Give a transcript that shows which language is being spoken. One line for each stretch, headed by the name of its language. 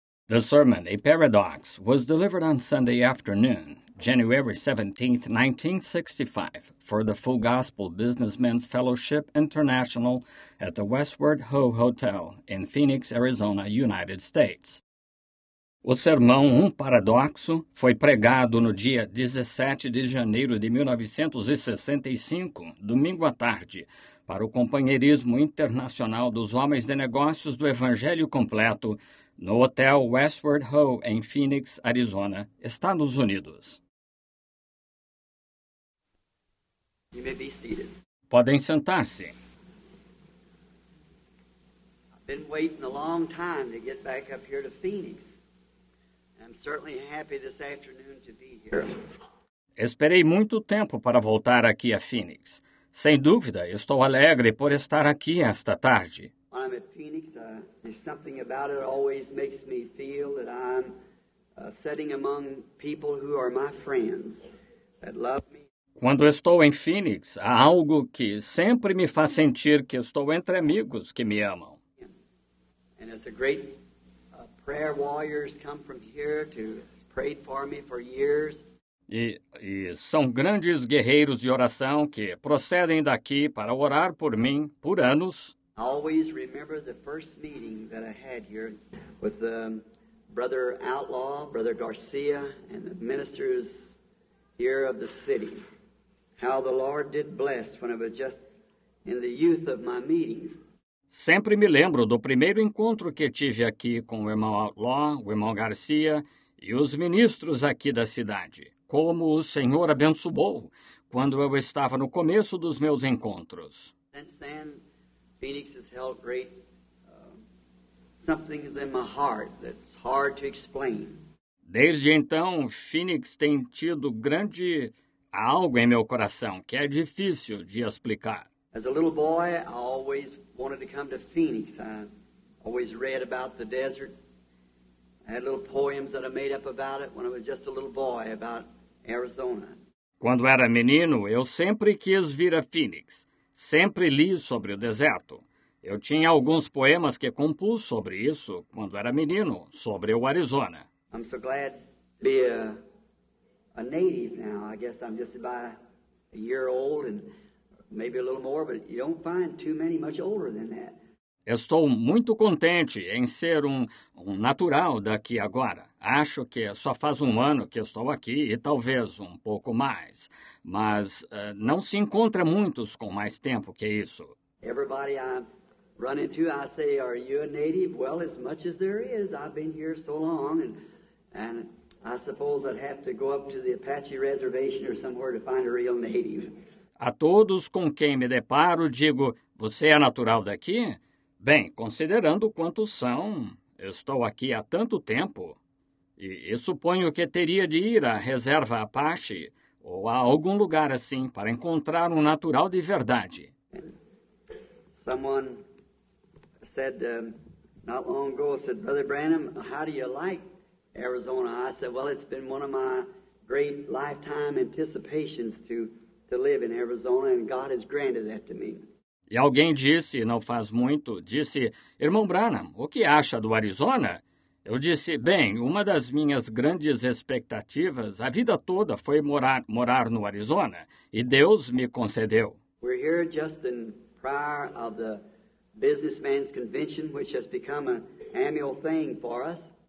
English: The sermon, A Paradox, was delivered on Sunday afternoon, January 17, 1965, for the Full Gospel Businessmen's Fellowship International at the Westward Ho Hotel in Phoenix, Arizona, United States.
Portuguese: O sermão Um Paradoxo foi pregado no dia 17 de janeiro de 1965, domingo à tarde, para o Companheirismo Internacional dos Homens de Negócios do Evangelho Completo, no Hotel Westward Ho, em Phoenix, Arizona, Estados Unidos.
English: You may be seated.
Portuguese: Podem sentar-se.
English: I've been waiting a long time to get back up here to Phoenix. I'm certainly happy this afternoon to be here.
Portuguese: Esperei muito tempo para voltar aqui a Phoenix. Sem dúvida, estou alegre por estar aqui esta tarde.
English: When I'm at Phoenix, there's something about it always makes me feel that I'm sitting among people who are my friends, that love me.
Portuguese: Quando estou em Phoenix, há algo que sempre me faz sentir que estou entre amigos que me amam.
English: And it's a great prayer warriors come from here to pray for me for years.
Portuguese: E são grandes guerreiros de oração que procedem daqui para orar por mim por anos.
English: I always remember the first meeting that I had here with Brother Outlaw, Brother Garcia, and the ministers here of the city. How the Lord did bless when I was just in the youth of my meetings.
Portuguese: Sempre me lembro do primeiro encontro que tive aqui com o irmão Outlaw, o irmão Garcia e os ministros aqui da cidade. Como o Senhor abençoou quando eu estava no começo dos meus encontros.
English: Since then, Phoenix has held great something in my heart that's hard to explain.
Portuguese: Desde então, Phoenix tem tido grande algo em meu coração que é difícil de explicar.
English: As a little boy, I always wanted to come to Phoenix. I always read about the desert. I had little poems that I made up about it when I was just a little boy about Arizona.
Portuguese: Quando era menino, eu sempre quis vir a Phoenix. Sempre li sobre o deserto. Eu tinha alguns poemas que compus sobre isso quando era menino, sobre o Arizona.
English: I'm so glad to be a native now. I guess I'm just about a year old and maybe a little more, but you don't find too many much older than that.
Portuguese: Estou muito contente em ser um natural daqui agora. Acho que só faz um ano que estou aqui e talvez um pouco mais. Mas não se encontra muitos com mais tempo que isso.
English: Everybody I run into, I say, are you a native? Well, as much as there is, I've been here so long. And I suppose I'd have to go up to the Apache Reservation or somewhere to find a real native.
Portuguese: A todos com quem me deparo, digo, você é natural daqui? Bem, considerando quantos são, estou aqui há tanto tempo, e suponho que teria de ir à Reserva Apache ou a algum lugar assim para encontrar um natural de verdade.
English: Someone said not long ago, said, Brother Branham, how do you like Arizona? I said, well, it's been one of my great lifetime anticipations to live in Arizona, and God has granted that to me.
Portuguese: E alguém disse, não faz muito, disse, irmão Branham, o que acha do Arizona? Eu disse, bem, uma das minhas grandes expectativas a vida toda foi morar no Arizona, e Deus me concedeu.
English: We're here just in prior of the businessman's convention, which has become an annual thing for us.